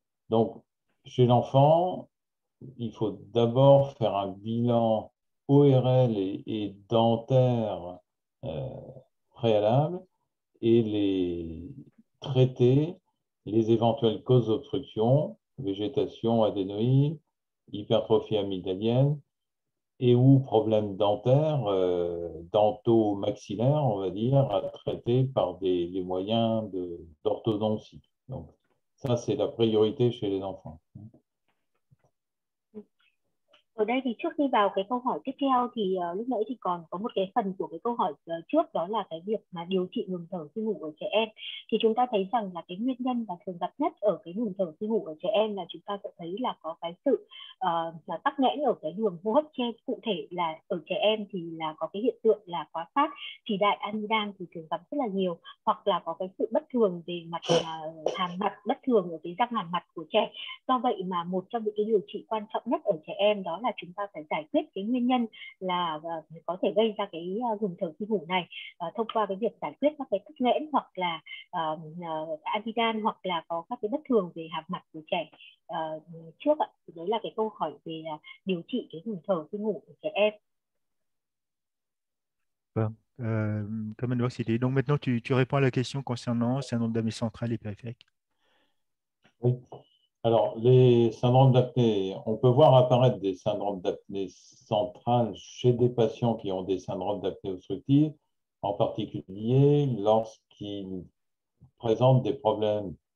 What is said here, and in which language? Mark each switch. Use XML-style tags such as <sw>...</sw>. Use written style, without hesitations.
<fr>Donc, chez l'enfant, il faut d'abord faire un bilan ORL et dentaire préalable et traiter les éventuelles causes d'obstruction, végétation adénoïde, hypertrophie amygdalienne et ou problèmes dentaires, dentaux-maxillaires, on va dire, à traiter par les moyens d'orthodontie. Donc, ça, c'est la priorité chez les enfants.</fr> <vi>Ở đây thì trước khi vào cái câu hỏi tiếp theo thì lúc nãy thì còn có một cái phần của cái câu hỏi trước, đó là cái việc mà điều trị ngừng thở khi ngủ ở trẻ em. Thì chúng ta thấy rằng là cái nguyên nhân và thường gặp nhất ở cái ngừng thở khi ngủ ở trẻ em là chúng ta sẽ thấy là có cái sự là tắc nghẽn ở cái đường hô hấp trên. Cụ thể là ở trẻ em thì là có cái hiện tượng là quá phát thì đại amidan thì thường gặp rất là nhiều, hoặc là có cái sự bất thường về mặt hàm mặt, bất thường ở cái răng hàm mặt của trẻ. Do vậy mà một trong những cái điều trị quan trọng nhất ở trẻ em đó là chúng ta phải giải quyết cái nguyên nhân là có thể gây ra cái ngừng thở khi ngủ này thông qua cái việc giải quyết các cái tắc nghẽn hoặc là amidan hoặc là có các cái bất thường về hàm mặt của trẻ trước ạ. Thì đấy là cái câu hỏi về điều trị cái ngừng thở khi ngủ của trẻ em. Vâng, cảm ơn bác sĩ.</vi> <fr>Donc maintenant tu réponds à la question concernant syndrome d'apnée centrale et périphérique. Oui. Alors, les syndromes d'apnée, on peut voir apparaître des syndromes d'apnée centrale chez des patients qui ont des syndromes d'apnée obstructive, en particulier lorsqu'ils présentent des problèmes</fr>